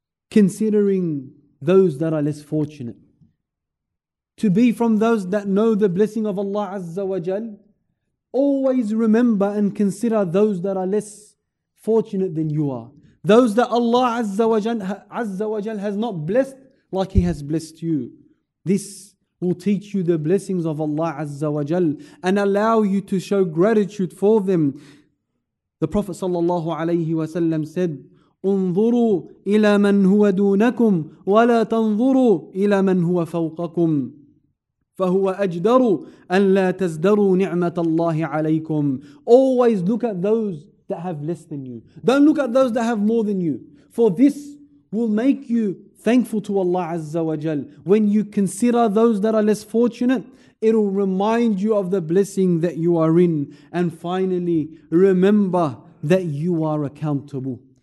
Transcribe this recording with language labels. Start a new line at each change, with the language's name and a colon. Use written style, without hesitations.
English: Considering those that are less fortunate, to be from those that know the blessing of Allah Azza wa Jal, always remember and consider those that are less fortunate than you are. Those that Allah Azza wa Jal has not blessed like He has blessed you. This will teach you the blessings of Allah Azza wa Jal and allow you to show gratitude for them. The Prophet sallallahu alayhi wa sallam said,
Arabic: انظروا إلى من هو دونكم ولا تنظروا إلى من هو فوقكم فهو أجدر أن لا تزدروا نعمة الله عليكم.
English: Always look at those that have less than you. Don't look at those that have more than you. For this will make you thankful to Allah Azza wa Jal. When you consider those that are less fortunate, it'll remind you of the blessing that you are in. And finally, remember that you are accountable.